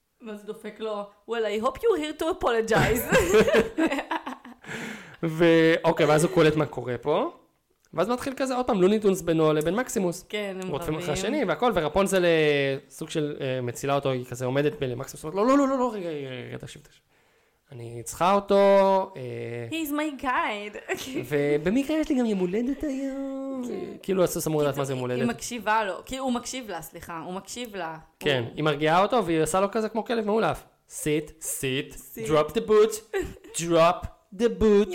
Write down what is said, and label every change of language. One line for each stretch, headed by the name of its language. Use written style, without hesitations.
Hebrew: ואז דופק לו,
English: well, I hope you're here to apologize.
Hebrew: ואוקיי, ואז הוא קולט מה קורה פה. ואז מתחיל כזה, עוד פעם, לוני טונס בינו לבין מקסימוס. כן, הם רבים. רוטפים אחרי השני והכל, ורפונזל סוג של מצילה אותו, היא כזה עומדת למקסימוס, אומרת, לא, לא, לא, לא, לא, רגע, רגע, תשיב, תשיב. אני צריכה אותו.
English: He's my guide.
Hebrew: ובמקרה יש לי גם יום הולדת היום. כאילו, אסור שמור לדעת מה זה יום הולדת. היא מקשיבה לו, כי הוא מקשיב לה, סליחה, הוא מקשיב לה. כן, היא מרגיעה אותו והיא עושה לו כזה כמו כלב מעולף.
English: Sit, sit, drop the boots, drop the boots.